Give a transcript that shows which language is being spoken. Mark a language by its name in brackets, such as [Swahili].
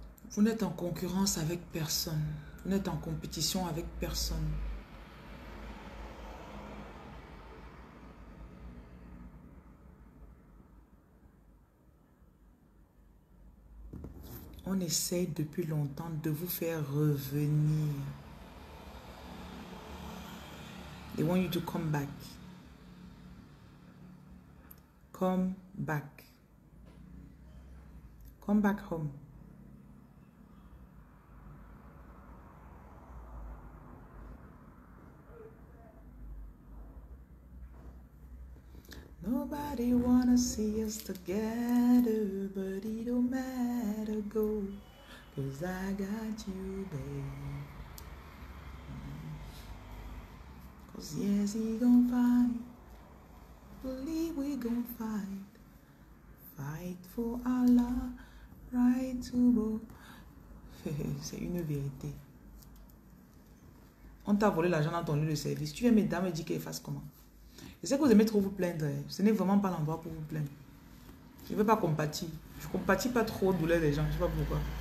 [French] Vous n'êtes en concurrence avec personne. Vous n'êtes en compétition avec personne. On essaie depuis longtemps de vous faire revenir. [English] They want you to come back. Come back. Come back home. Everybody wanna see us together, but it don't matter, go. Cause I got you, babe. Cause yes, he gon' fight. Believe we gon' fight. Fight for Allah, right to go. [French] C'est une vérité. On t'a volé l'argent dans ton lieu de service. Tu viens, mesdames, et dis qu'elle fasse comment? Je sais que vous aimez trop vous plaindre. Hein. Ce n'est vraiment pas l'endroit pour vous plaindre. Je ne veux pas compatir. Je ne compatis pas trop aux douleurs des gens. Je ne sais pas pourquoi.